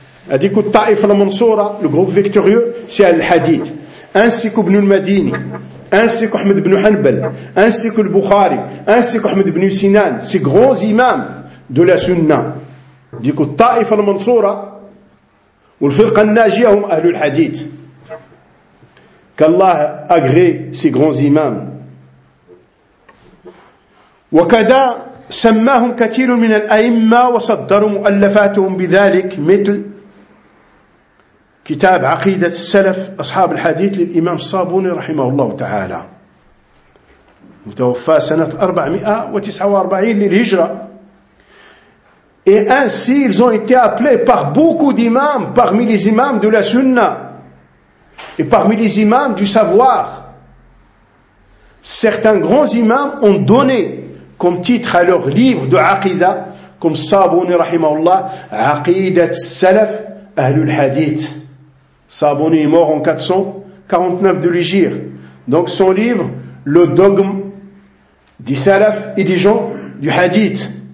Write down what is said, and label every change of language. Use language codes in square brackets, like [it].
[fr] a dit que Ta'if al-Mansoura, le groupe victorieux, c'est Al-Hadith, ainsi qu'Ibn al-Madini, ainsi qu'Ahmed ibn Hanbal, ainsi que le Bukhari, ainsi qu'Ahmed ibn Sinan, ces grands imams de la Sunna, dit que Ta'if al-Mansoura, ou le Firqa al-Najiyah, ou Ahlul Hadith, qu'Allah agrée ces grands imams. [ar] وكذا سماهم كثير من الأئمة وصدروا مؤلفاتهم بذلك مثل كتاب عقيدة السلف أصحاب الحديث للإمام الصابوني رحمه الله تعالى متوفى سنة 449 للهجرة [fr] et ainsi ils ont été appelés par beaucoup d'imams parmi les imams de la sunna et parmi les imams du savoir. Certains grands imams ont donné comme titre à leur livre de Aqidah, comme Sabouni Rahimahullah, Aqidat Salaf Ahlul Hadith. Sabouni est mort en 449 de l'Hégire. Donc son livre, le dogme des Salaf et des gens du Hadith.